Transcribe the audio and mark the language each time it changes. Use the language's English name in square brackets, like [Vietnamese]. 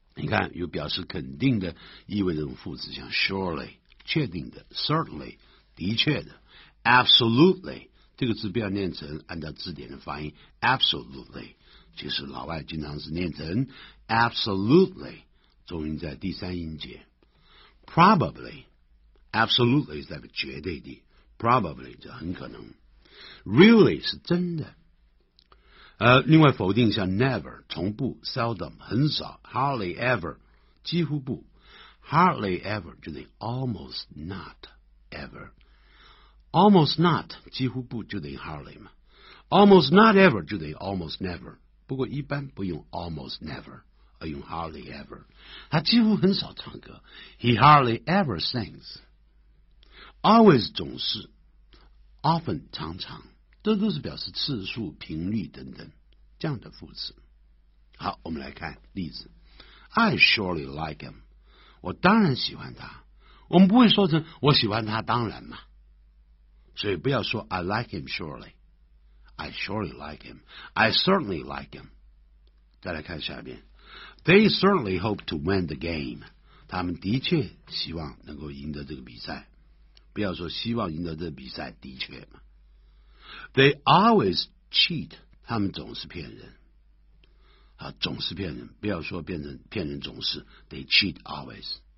[Chinese] 你看，有表示肯定的意味的副词，像 surely 确定的、 certainly 的确的、 absolutely 这个字不要念成按照字典的发音 absolutely， 其实老外经常是念成 absolutely， 重音在第三音节。 Probably, absolutely 是代表绝对的， probably 就很可能， really 是真的。另外否定像 never 从不， seldom 很少， hardly ever 几乎不， hardly ever 就得 [English] almost not ever， [Chinese] almost not 几乎不就得 hardly 嘛， almost not ever 就得 almost never， 不过一般不用 almost never，而用 hardly ever， 他几乎很少唱歌。 [English] He hardly ever sings。 [Chinese] Always 总是 ，often 常常，这都是表示次数、频率等等这样的副词。好，我们来看例子。 [English] I surely like him。 [Chinese] 我当然喜欢他。我们不会说成我喜欢他当然嘛，所以不要说 [English] I like him surely。 I surely like him。 I certainly like him。 [Chinese] 再来看下边。 [English] They certainly hope to win the game. [Chinese] 他们的确希望能够赢得这个比赛。不要说希望赢得这个比赛，的确嘛。 [English] They always cheat. [Chinese] 他们总是骗人。啊，总是骗人，不要说变成骗人总是。 [English] They cheat always.